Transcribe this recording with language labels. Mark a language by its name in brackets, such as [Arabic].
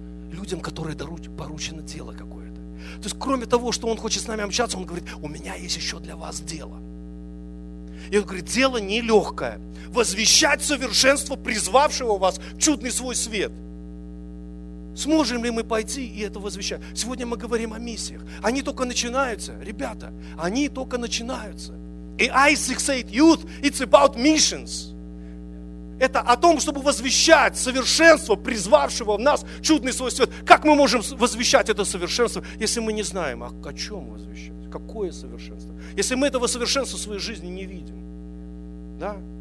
[Russian] Людям, которые поручено дело какое-то. То есть кроме того, что Он хочет с нами общаться, Он говорит, у меня есть еще для вас дело. И он говорит, дело нелегкое. Возвещать совершенство призвавшего вас в чудный свой свет. Сможем ли мы пойти и это возвещать? Сегодня мы говорим о миссиях. Они только начинаются, ребята. Они только начинаются. И [English] Isaac said, youth, it's about missions. [Russian] Это о том, чтобы возвещать совершенство призвавшего в нас в чудный свой свет. Как мы можем возвещать это совершенство, если мы не знаем, а о чем возвещать? Какое совершенство? Если мы этого совершенства в своей жизни не видим. Да?